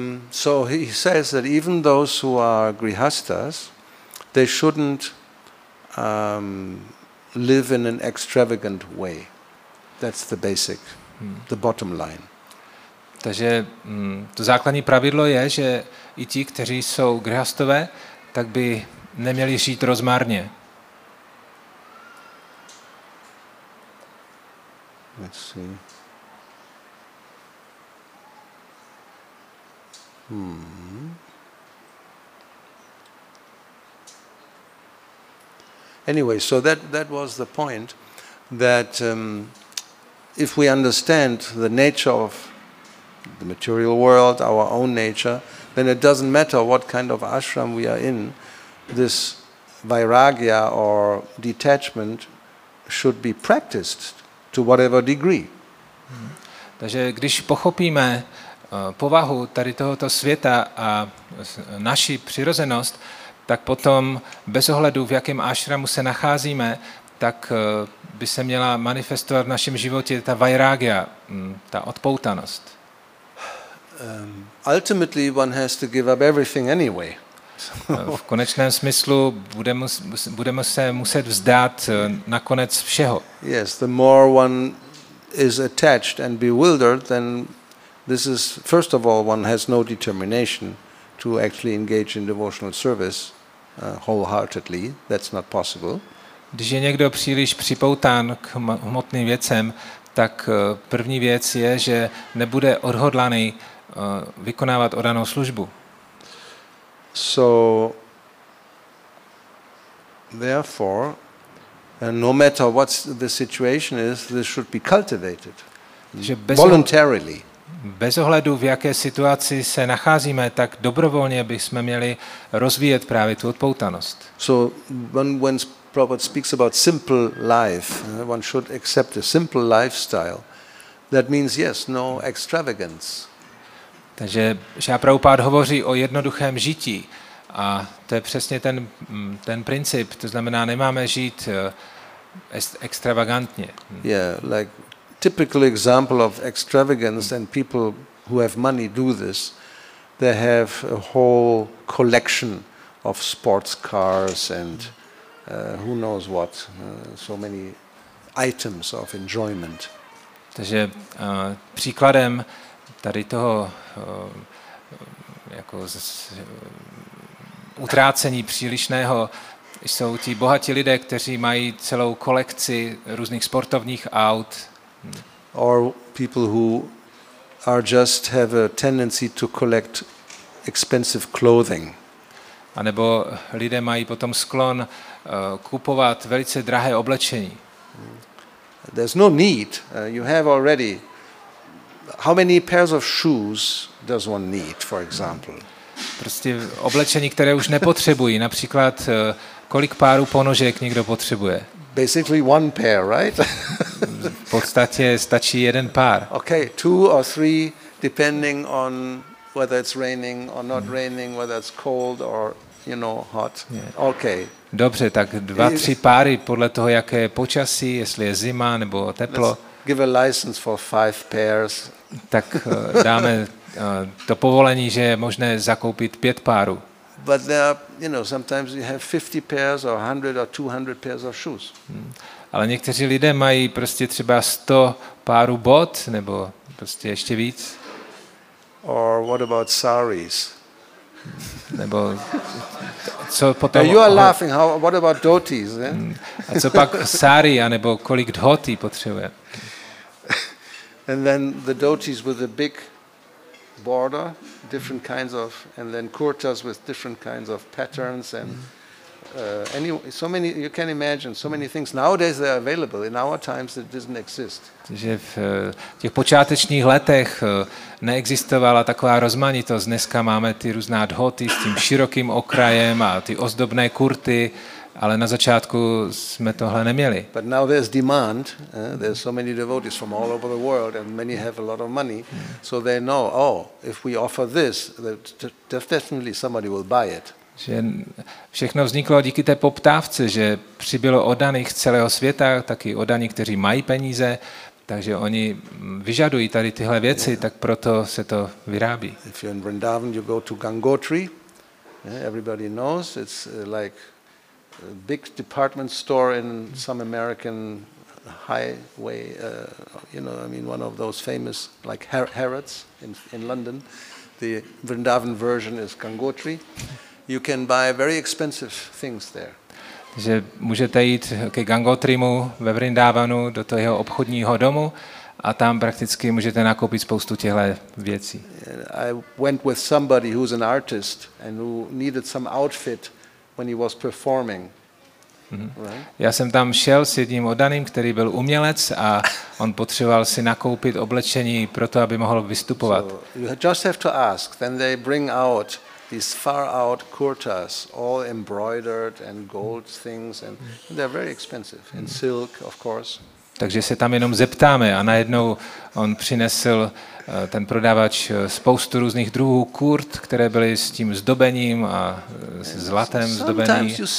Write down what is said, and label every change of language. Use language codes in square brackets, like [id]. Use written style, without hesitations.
[en] So he says that even those who are grihasthas, they shouldn't live in an extravagant way. That's the basic, the bottom line. [cs] Takže to základní pravidlo je, že i ti, kteří jsou grihastové, tak by neměli žít rozmárně. [en] Let's see. Anyway, so that was the point that if we understand the nature of the material world, our own nature, then it doesn't matter what kind of ashram we are in, this vairagya or detachment should be practiced to whatever degree. [cs] Takže když pochopíme povahu tady tohoto světa a naši přirozenost, tak potom bez ohledu, v jakém ašramu se nacházíme, tak by se měla manifestovat v našem životě ta vairagya, ta odpoutanost. [en] Ultimately one has to give up everything anyway. [cs] V konečném smyslu budeme se muset vzdát nakonec všeho. [en] Yes, the more one is attached and bewildered, then this is, first of all, one has no determination to actually engage in devotional service wholeheartedly. That's not possible. [cs] Když je někdo příliš připoután k hmotným věcem, tak první věc je, že nebude odhodlaný vykonávat oddanou službu. [en] So therefore, no matter what the situation is, this should be cultivated voluntarily. [cs] Bez ohledu, v jaké situaci se nacházíme, tak dobrovolně bychom měli rozvíjet právě tu odpoutanost. [en] So when Prabhupada speaks about simple life, one should accept a simple lifestyle. That means yes, no extravagance. [cs] Takže Šáda Prabhupáda hovoří o jednoduchém žití. A to je přesně ten princip, to znamená, nemáme žít extravagantně. [en] Yeah, like typical example of extravagance, and people who have money do this, they have a whole collection of sports cars and who knows what, so many items of enjoyment. [cs] Takže příkladem tady toho jako utrácení přílišného jsou ti bohatí lidé, kteří mají celou kolekci různých sportovních aut. [en] Or people who are just have a tendency to collect expensive clothing. [cs] A nebo lidé mají potom sklon kupovat velice drahé oblečení. [en] There's no need. You have already. How many pairs of shoes does one need, for example? [cs] Prostě oblečení, které už nepotřebují. Například, kolik párů ponožek někdo potřebuje? [en] Basically one pair, right? [cs] V podstatě stačí jeden pár. [en] Okay, two or three, depending on whether it's raining or not raining, whether it's cold or, you know, hot. Okay. [cs] Dobře, tak dva, tři páry podle toho, jaké je počasí, jestli je zima nebo teplo. [en] Let's give a license for five pairs. [cs] Tak dáme to povolení, že je možné zakoupit pět párů. [en] But there are, you know, sometimes you have 50 pairs or 100 or 200 pairs of shoes. [cs] Ale někteří lidé mají prostě třeba 100 párů bot nebo prostě ještě víc. [en] Or what about saris? [cs] Nebo co potom? [en] You are laughing. How, what about dhotis? [cs] A co pak sari, anebo kolik dhoti potřebuje? [en] And then the dhotis with the big border, different kinds of, and then kurtas with different kinds of patterns, and so many, you can imagine, so many things. Nowadays they are available. In our times it doesn't exist. [cs] Takže v těch počátečních letech neexistovala taková rozmanitost. Dneska máme ty různá dhoty s tím širokým okrajem a ty ozdobné kurty, ale na začátku jsme tohle neměli. [en] But now there's demand. There's so many devotees from all over the world, and many have a lot of money, so they know, oh, if we offer this, definitely somebody will buy it. [cs] Že všechno vzniklo díky té poptávce, že přibylo oddaných z celého světa, taky oddaní, kteří mají peníze, takže oni vyžadují tady tyhle věci, tak proto se to vyrábí. [en] If you're in Vrindavan, you go to Gangotri. Everybody knows it's like a big department store in some American highway, you know, I mean, one of those famous like Harrods in London. The Vrindavan version is Gangotri. You can buy very expensive things there. [cs] Takže můžete jít ke Gangotrimu ve Vrindavanu do toho jeho obchodního domu a tam prakticky můžete nakoupit spoustu těchto věcí. [en] I went with somebody who's an artist and who needed some outfit when he was performing. Right? [cs] Já jsem tam šel s jedním oddaným, který byl umělec a on potřeboval si nakoupit oblečení pro to, aby mohl vystupovat. [en] So you just have to ask, then they bring out these far out kurtas, all embroidered and gold things, and they're very expensive, in silk, of course. [cs] Takže se tam jenom zeptáme a najednou on přinesl ten prodavač spoustu různých druhů kurt, které byly s tím zdobením a zlatem zdobený.